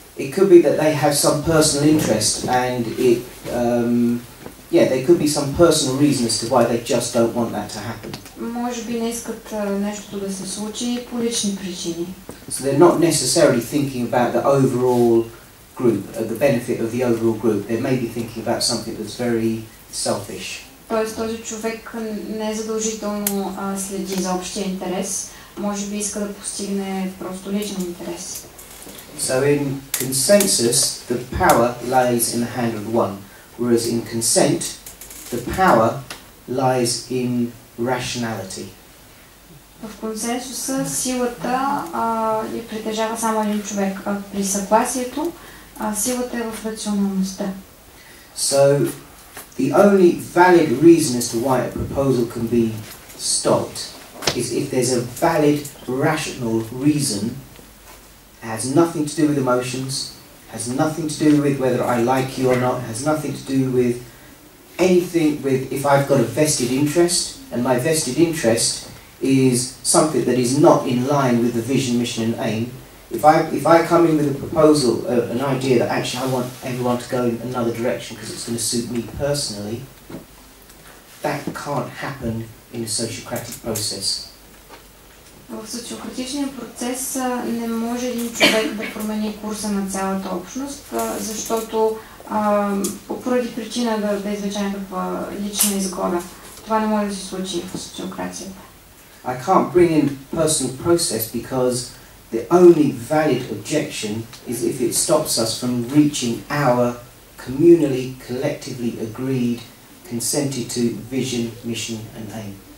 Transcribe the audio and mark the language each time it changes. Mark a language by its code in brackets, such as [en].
[en] It could be that they have some personal interest and it there could be some personal reason as to why they just don't want that to happen. [bg] Може би не искат нещо да се случи по лични причини. [en] So they're not necessarily thinking about the overall group, the benefit of the overall group. They may be thinking about something that's very selfish. [bg] Тоест този човек не задължително следи за общия интерес, може би иска да постигне просто личен интерес. [en] So in consensus, the power lies in the hand of one, whereas in consent, the power lies in rationality. [bg] В консенсуса силата я притежава само един човек, а при съгласието силата е в рационалността. [en] So the only valid reason as to why a proposal can be stopped is if there's a valid rational reason. Has nothing to do with emotions, has nothing to do with whether I like you or not, has nothing to do with anything with if I've got a vested interest, and my vested interest is something that is not in line with the vision, mission and aim. If I come in with a proposal, an idea that actually I want everyone to go in another direction because it's going to suit me personally, that can't happen in a sociocratic process. [bg] В социократичния процес не може един човек да промени курса на цялата общност, защото поради причина да извлечем каква лична изгода. Това не може да се случи в социократията. [en] I can't bring in personal process because the only valid objection is if it stops us from reaching our communally, collectively agreed, consented to vision, mission and aim.